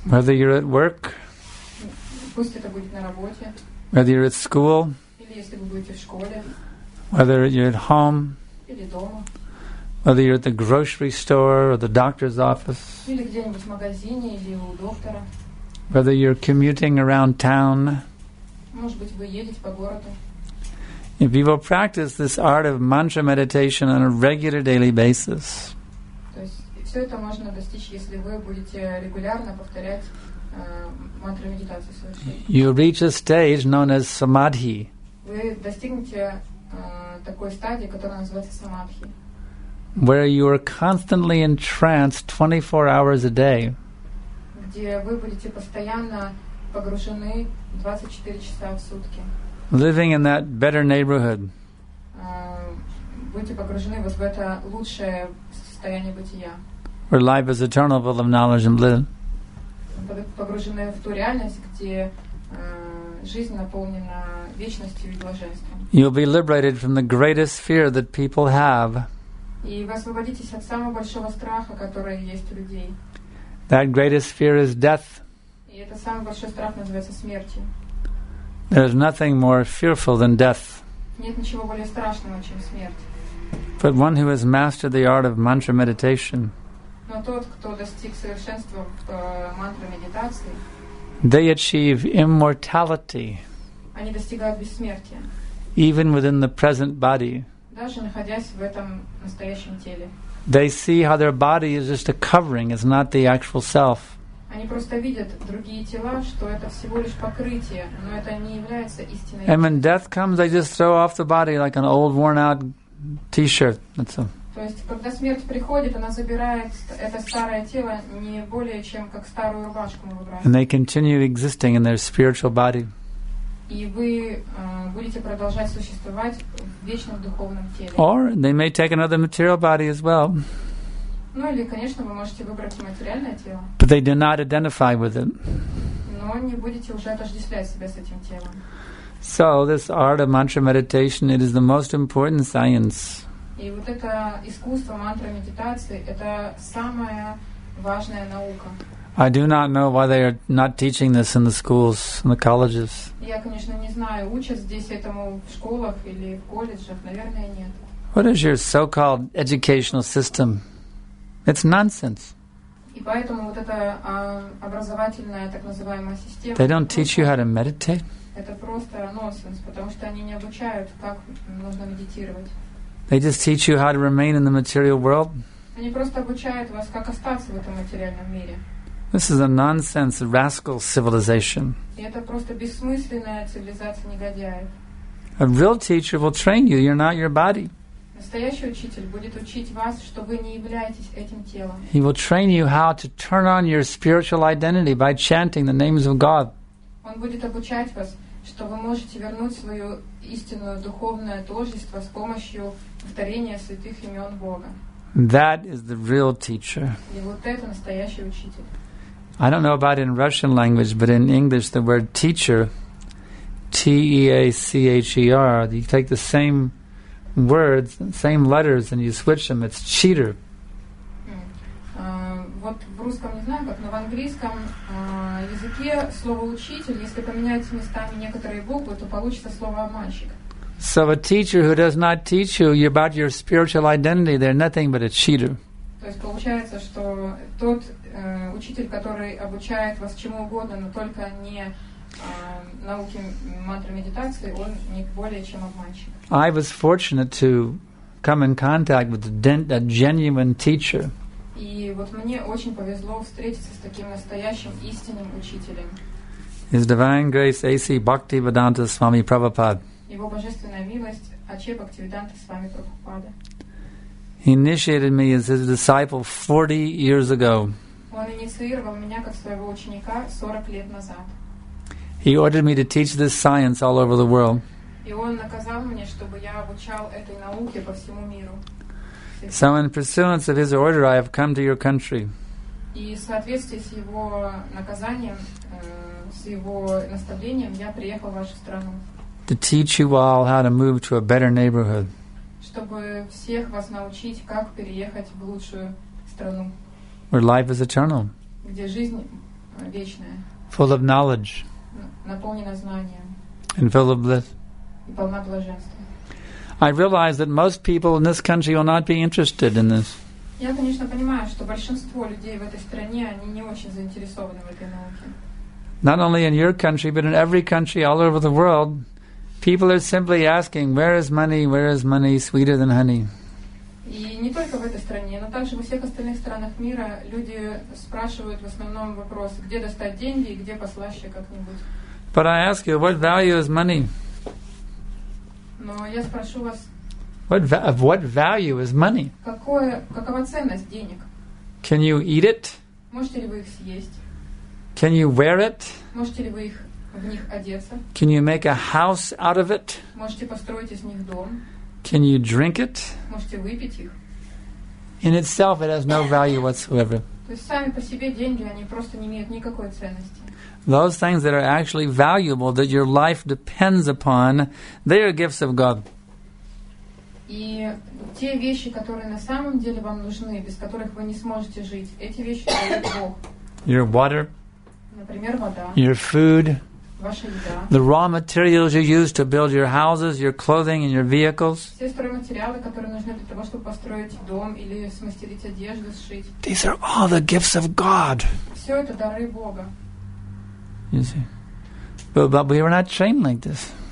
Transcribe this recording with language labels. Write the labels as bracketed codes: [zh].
[en] Whether you're at work, [ru] пусть это будет на работе. [en] Whether you're at school, [ru] или если вы будете в школе. [en] Whether you're at home, Whether you're at the grocery store or the doctor's office. [ru] Или где-нибудь в магазине или у доктора. [en] Whether you're commuting around town. [ru] Может быть, вы едете по городу. [en] If you will practice this art of mantra meditation on a regular daily basis. [ru] То есть все это можно достичь, если вы будете регулярно повторять мантру медитацию свою. [en] You reach a stage known as samadhi. [ru] Вы достигнете такой стадии, которая называется самадхи. [en] Where you are constantly entranced 24 hours a day. [ru] Где вы будете постоянно погружены 24 часа в сутки. [en] Living in that better neighborhood. [ru] Будете погружены вот в это лучшее состояние бытия. [en] Where life is eternal, full of knowledge and bliss. [ru] Погружены в ту реальность, где жизнь наполнена вечностью и блаженством. [en] You'll be liberated from the greatest fear that people have. [ru] И вы освободитесь от самого большого страха, который есть у людей. [en] That greatest fear is death. [ru] И это самый большой страх называется смертью. [en] There's nothing more fearful than death. [ru] Нет ничего более страшного, чем смерть. [en] But one who has mastered the art of mantra meditation. [ru] Но тот, кто достиг совершенства в мантра медитации. [en] They achieve immortality. [ru] Они достигают бессмертия. [en] Even within the present body. [ru] Даже находясь в этом настоящем теле. [en] They see how their body is just a covering, it's not the actual self. [ru] Они просто видят другие тела, что это всего лишь покрытие, но это не является истинной. [en] And when death comes, they just throw off the body like an old worn-out t-shirt. [ru] То есть, когда смерть приходит, она забирает это старое тело не более чем как старую рубашку. [en] And they continue existing in their spiritual body. [ru] И вы будете продолжать существовать в вечном духовном теле. [en] Or they may take another material body as well. [ru] Ну или, конечно, вы можете выбрать материальное тело. [en] But they do not identify with it. [ru] Но не будете уже отождествлять себя с этим телом. [en] So this art of mantra meditation, it is the most important science. [ru] И вот это искусство мантра медитации, это самая важная наука. [en] I do not know why they are not teaching this in the schools, in the colleges. [ru] Я, конечно, не знаю, учат здесь этому в школах или в колледжах, наверное, нет. [en] What is your so-called educational system? It's nonsense. [ru] И поэтому вот эта образовательная так называемая система. [en] They don't teach you how to meditate. [ru] Это просто нонсенс, потому что они не обучают, как нужно медитировать. [en] They just teach you how to remain in the material world. [ru] Они просто обучают вас, как остаться в этом материальном мире. [en] This is a nonsense, a rascal civilization. [ru] И это просто бессмысленная цивилизация негодяев. [en] A real teacher will train you. You're not your body. [ru] Настоящий учитель будет учить вас, что вы не являетесь этим телом. [en] He will train you how to turn on your spiritual identity by chanting the names of God. [ru] Он будет обучать вас, что вы можете вернуть свое истинное духовное тождество с помощью повторения святых имен Бога. [en] That is the real teacher. [ru] И вот это настоящий учитель. [en] I don't know about in Russian language, but in English the word teacher, T-E-A-C-H-E-R, you take the same words, same letters, and you switch them. It's cheater. [ru] Вот в русском не знаю, как, но в английском языке слово учитель, если поменять местами некоторые буквы, то получится слово обманщик. [en] So a teacher who does not teach you about your spiritual identity, they're nothing but a cheater. [ru] То есть получается, что тот учитель, который обучает вас чему угодно, но только не науке мантры медитации, он не более чем обманщик. [en] I was fortunate to come in contact with a genuine teacher. [ru] И вот мне очень повезло встретиться с таким настоящим истинным учителем. [en] His Divine Grace A.C. Bhaktivedanta Swami Prabhupada. [ru] Его божественная милость Ачхе Бхактивиданта Свами Прабхупада. [en] He initiated me as his disciple 40 years ago. [ru] Он инициировал меня как своего ученика 40 лет назад. [en] He ordered me to teach this science all over the world. [ru] И он наказал мне, чтобы я обучал этой науке по всему миру. [en] So in pursuance of his order, I have come to your country. [ru] И в соответствии с его наказанием, с его наставлением, я приехал в вашу страну. [en] To teach you all how to move to a better neighborhood. [ru] Чтобы всех вас научить, как переехать в лучшую страну. [en] Where life is eternal. [ru] Где жизнь вечная. [en] Full of knowledge. [ru] Наполнена знанием. [en] And full of bliss. [ru] И полна блаженства. [en] I realize that most people in this country will not be interested in this. [ru] Я, конечно, понимаю, что большинство людей в этой стране, они не очень заинтересованы в этой науке. [en] Not only in your country, but in every country all over the world, people are simply asking, where is money? Where is money sweeter than honey? [ru] И не только в этой стране, но также во всех остальных странах мира люди спрашивают в основном вопрос, где достать деньги и где послаще как-нибудь. [en] But I ask you, what value is money? [ru] Но я спрошу вас, [en] what value is money? [ru] Какова ценность денег? [en] Can you eat it? [ru] Можете ли вы их съесть? [en] Can you wear it? [ru] Можете ли вы их в них одеться? [en] Can you make a house out of it? [ru] Можете построить из них дом? [en] Can you drink it? [ru] Можете выпить их? [en] In itself, it has no value whatsoever. [ru] То есть сами по себе деньги, они просто не имеют никакой ценности. [en] Those things that are actually valuable, that your life depends upon, they are gifts of God. [ru] И те вещи, которые на самом деле вам нужны, без которых вы не сможете жить, эти вещи дают Бог. [en] Your water. [ru] Например, вода. [en] Your food. [ru] Ваша еда. [en] The raw materials you use to build your houses, your clothing and your vehicles. [ru] Все стройматериалы, которые нужны для того, чтобы построить дом или смастерить одежду, сшить. [en] These are all the gifts of God. [ru] Все это дары Бога. [en] You see, but we were not trained like this.